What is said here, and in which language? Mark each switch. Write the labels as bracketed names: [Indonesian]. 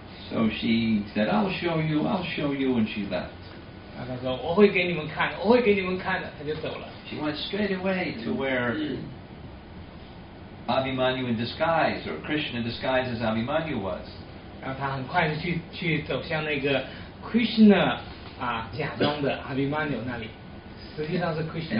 [English] So she said, I'll show you, and she left. [Chinese] 她说, 我会给你们看, 我会给你们看, 她就走了。 [English] She went straight away to where Abhimanyu in disguise, or Krishna in disguise as Abhimanyu was. [Chinese] 然后她很快地去走向那个 Krishna 假装的 Abhimanyu那里, 实际上是Krishna。